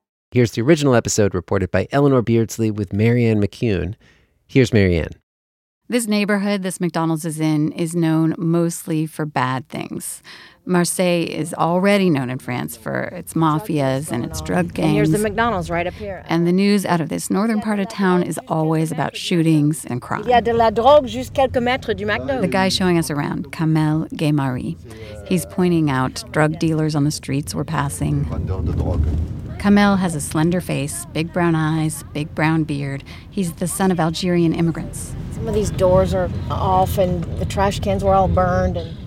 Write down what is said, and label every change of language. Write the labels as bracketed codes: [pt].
[en] Here's the original episode reported by Eleanor Beardsley with Marianne McCune. Here's Marianne. This neighborhood this McDonald's is in is known mostly for bad things. Marseille is already known in France for its mafias and its drug gangs. And here's the McDonald's right up here. And the news out of this northern part of town is always about shootings and crime. [fr] Il y a de la drogue juste quelques mètres du McDo. [en] The guy showing us around, Kamel Guémari. He's pointing out drug dealers on the streets we're passing. Kamel has a slender face, big brown eyes, big brown beard. He's the son of Algerian immigrants. Some of these doors are off and the trash cans were all burned and